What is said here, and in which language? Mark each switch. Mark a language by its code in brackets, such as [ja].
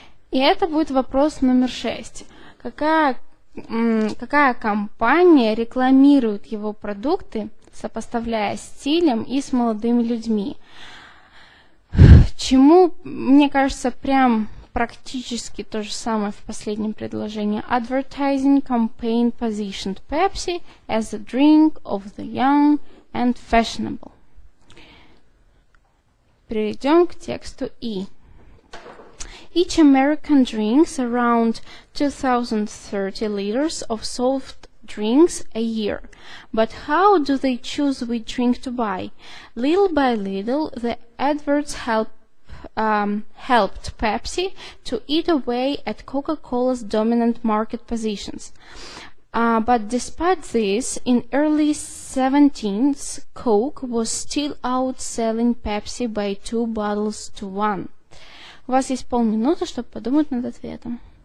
[ru] И это будет вопрос номер 6. Какая компания рекламирует его продукты, сопоставляя стилем и с молодыми людьми? Чему, мне кажется, прям практически то же самое в последнем предложении. [en] Advertising campaign positioned Pepsi as a drink of the young and fashionable. [ru] Перейдем к тексту E. [en] Each American drinks around 2030 liters of soft drinks a year. But how do they choose which drink to buy? Little by little, the adverts helped Pepsi to eat away at Coca-Cola's dominant market positions. But despite this, in early 17s, Coke was still outselling Pepsi by 2 bottles to 1. [ru] У вас есть полминуты, чтобы подумать над ответом.